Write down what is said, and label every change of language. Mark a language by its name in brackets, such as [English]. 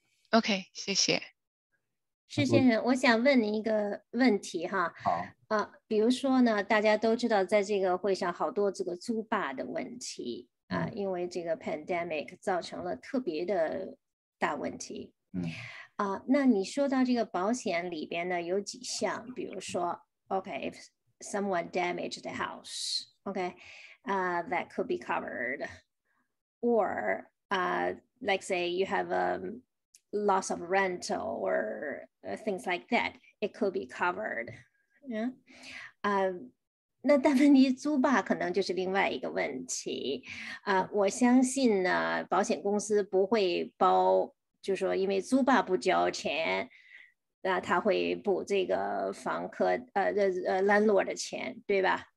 [Chinese] OK， 谢谢。施先生，我想问您一个问题哈。好。比如说呢，大家都知道在这个会上好多这个租霸的问题啊，因为这个 pandemic 造成了特别的大问题。嗯。啊，那你说到这个保险里边呢，有几项，比如说 [English] ，OK， if someone damaged the house， OK， that could be covered， or like say you have loss of rental or things like that, it could be covered. Yeah. [Chinese] 那但问题租霸可能就是另外一个问题。我相信呢，保险公司不会包，就是说因为租霸不交钱，那他会补这个房客landlord 的钱，对吧？